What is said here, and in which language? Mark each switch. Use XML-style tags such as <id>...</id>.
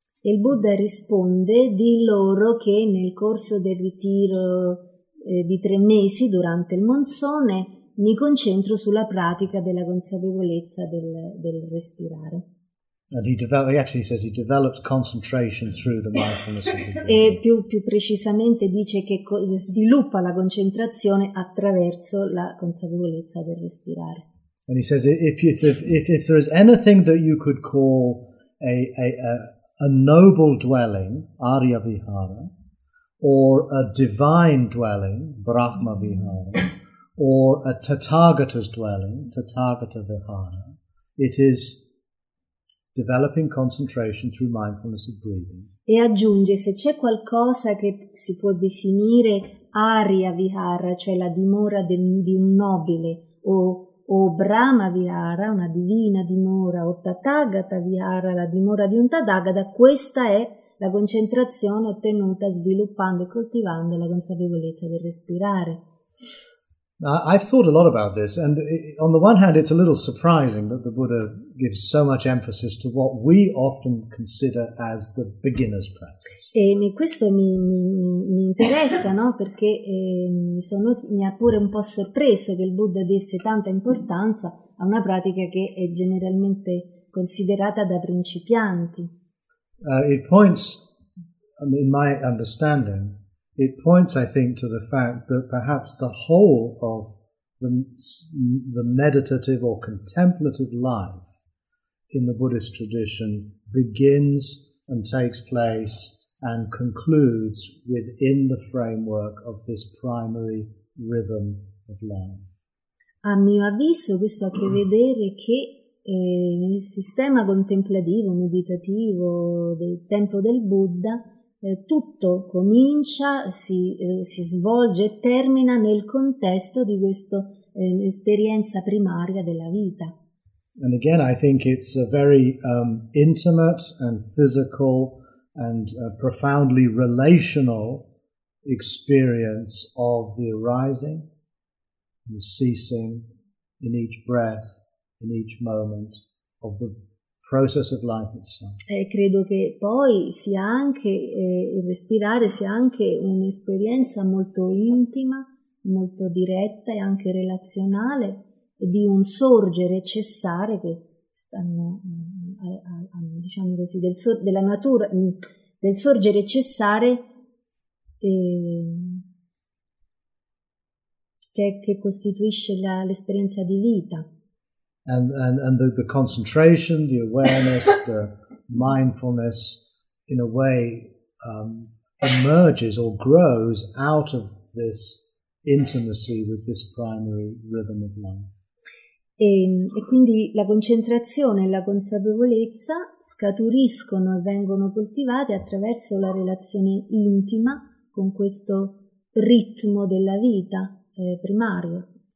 <it>Il Buddha risponde di loro che nel corso del ritiro di 3 mesi durante il monsone mi concentro sulla pratica della consapevolezza del respirare.</it> <en>And he actually says he develops concentration through the mindfulness of the breathing.</en> <it>E più precisamente dice che sviluppa la concentrazione attraverso la consapevolezza del respirare.</it> <en>And he says if there is anything that you could call a noble dwelling, Arya Vihara, or a divine dwelling, Brahma Vihara, or a Tathagata's dwelling, Tathagata Vihara, it is developing concentration through mindfulness of breathing.</en> <it>E aggiunge, se c'è qualcosa che si può definire Arya Vihara, cioè la dimora di un nobile, o Brahma Vihara, una divina dimora, o Tathagata Vihara, la dimora di un Tathagata, questa è la concentrazione ottenuta sviluppando e coltivando la consapevolezza del respirare.</it> <en>I've thought a lot about this, and on the one hand, it's a little surprising that the Buddha gives so much emphasis to what we often consider as the beginner's practice.</en> <it>E questo mi interessa, no? Perché mi ha pure un po' sorpreso che il Buddha desse tanta importanza a una pratica che è generalmente considerata da principianti.</it> <en>It points, in my understanding, it points, I think, to the fact that perhaps the whole of the meditative or contemplative life in the Buddhist tradition begins and takes place and concludes within the framework of this primary rhythm of life.</en> <it>A mio avviso, questo ha a che vedere che il sistema contemplativo, meditativo del tempo del Buddha, tutto comincia, si svolge e termina nel contesto di questa esperienza primaria della vita.</it> <en>And again, I think it's a very intimate and physical and profoundly relational experience of the arising and ceasing in each breath, in each moment of the process of life itself.</en> <it>Credo che poi sia anche il respirare sia anche un'esperienza molto intima, molto diretta e anche relazionale di un sorgere e cessare che stanno diciamo così della natura del sorgere e cessare che costituisce l'esperienza di vita.</it> <en>And the concentration, the awareness, the mindfulness, in a way, emerges or grows out of this intimacy with this primary rhythm of life.</en> <it>E quindi la concentrazione e la consapevolezza scaturiscono e vengono coltivate attraverso la relazione intima con questo ritmo della vita primario.</it>